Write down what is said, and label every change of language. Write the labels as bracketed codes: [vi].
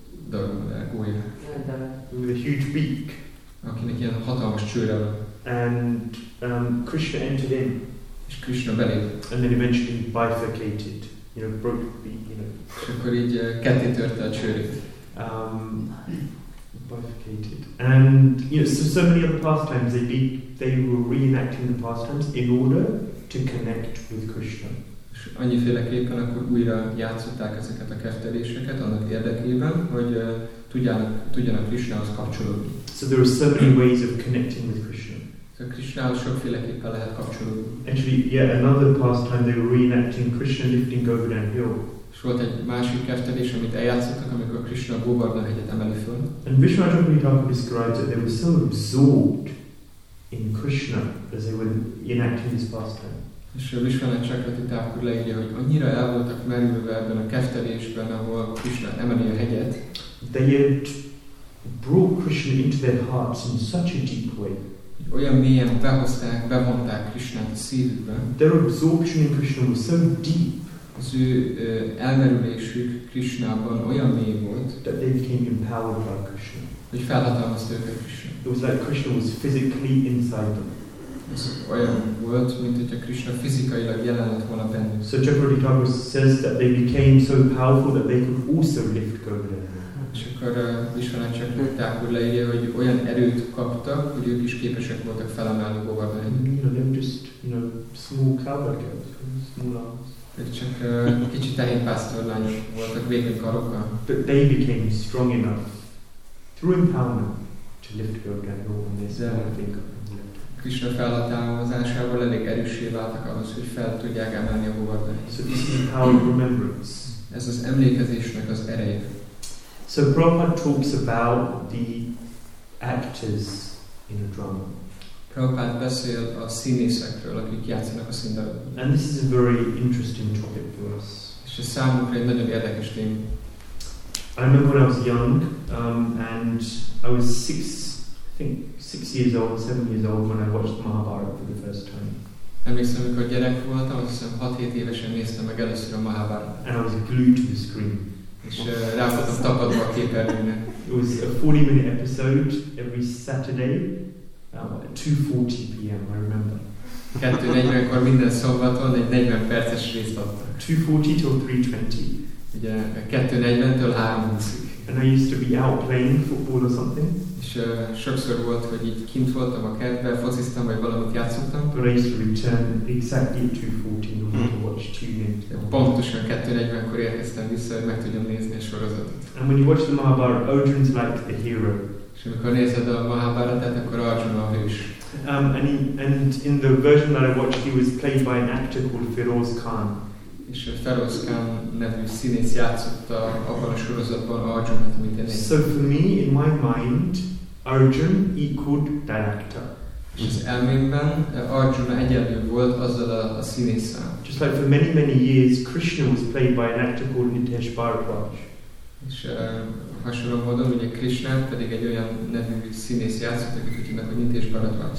[hu] Dagmar, gólya. [en] With a huge beak. [hu] Akinek ilyen hatalmas csőre van. [en] And Krishna entered in. [hu] És Krishna belép. [en] And then eventually bifurcated. You know, broke the beak, you know. [hu] És akkor így ketté törte a csőrét. [en] Bifurcated. And, you know, so many other pastimes, they were reenacting the pastimes in order to connect with Krishna. [hu] És annyiféleképpen akkor újra játszották ezeket a kefteléseket annak érdekében, hogy tudjanak Krishnához kapcsolódni. [en] So there are so many ways of connecting with Krishna. [hu] So Krishnához sokféleképpen lehet kapcsolódni. [en] Actually, yeah, another pastime they were reenacting Krishna lifting Govardhan Hill. [hu] És volt egy másik kefterés, amit eljátszottak, amikor Krishna Govardhan hegyet emeli föl. [en] And Vishwanatha Pandita describes that they were so absorbed in Krishna as they were enacting this pastime. [hu] És Vishwanatha Chakravarti Thakur leírja, hogy annyira el voltak merülve ebben a keftelésben, ahol Krishna emeli a hegyet. [en] They had brought Krishna into their hearts in such a deep way. [hu] Olyan mélyen behozták, bevonták Krishnát a szívükbe. [en] Their absorption in Krishna was so deep. [hu] Az ő elmerülésük Krishnában olyan mély volt, [en] that they became empowered by Krishna. [hu] Hogy felhatalmazta őket Krishna. [en] It was like Krishna was physically inside them. [hu] Olyan volt, mint hogyha Krishna fizikailag jelen lett volna bennük. [en] So Chakravarti Thakur says that they became so powerful that they could also lift Govardhan. [hu] És akkor Vishwanatha Chakravarti Thakur leírja, hogy olyan erőt kaptak, hogy ők is képesek voltak felemelni Govardhan. [en] You know, they're just, you know, small cowgirls, small arms. [hu] Ők csak kicsi tehénpásztorlányok voltak, vékony karokkal. [en] But they became strong enough through empowerment to lift Govardhan on this small finger. [hu] Krishna felhatalmazásával elég erőssé váltak ahhoz, hogy fel tudják emelni a Govardhan. [en] So this is the power of remembrance. [hu] Ez az emlékezésnek az ereje. [en] So Prabhupada talks about the actors in a drama. [hu] Prabhupada beszél a színészekről, akik játszanak a színdarabban. [en] And this is a very interesting topic for us. [hu] És ez számunkra egy nagyon érdekes téma. [en] I remember when I was young, and I was six years old, seven years old when I watched Mahabharata for the first time. [hu] Emlékszem, amikor gyerek voltam, azt hiszem 6-7 évesen néztem meg először a Mahabharata. [en] And I was glued to the screen. [hu] És rá voltam tapadva a képernyőnek. [en] It was a 40-minute episode every Saturday at 2:40 p.m. I remember. [hu] 2:40-kor minden szombaton egy 40 perces részt adtak. [en] 2:40 till 3:20. [hu] Ugye 2:40-től 3:20. [en] And I used to be out playing football or something. [hu] És sokszor volt, hogy így kint voltam a kertben, fociztam, vagy valamit játszottam. [en] But I used to return exactly at 2:40 in order to watch TV. [hu] Pontosan 2:40-kor érkeztem vissza, hogy meg tudjam nézni a sorozatot. [en] And when you watch the Mahabharata, Arjuna's like the hero. [hu] És amikor nézed a Mahabharatát, akkor Arjuna a hős. [en] And in the version that I watched, he was played by an actor called Feroz Khan. [hu] És Feroz Khan nevű színész játszott abban a sorozatban Arjunát, amit én [en] So for me, in my mind, Arjun equaled that actor. [hu] És az elmémben Arjuna egyenlő volt azzal a színésszel. [en] Just like for many, many years, Krishna was played by an actor called Nitesh Bharadwaj. [hu] És hasonló módon, ugye Krishna pedig egy olyan nevű színész játszott, akit úgy hívnak, hogy Nitesh Bharadwaj.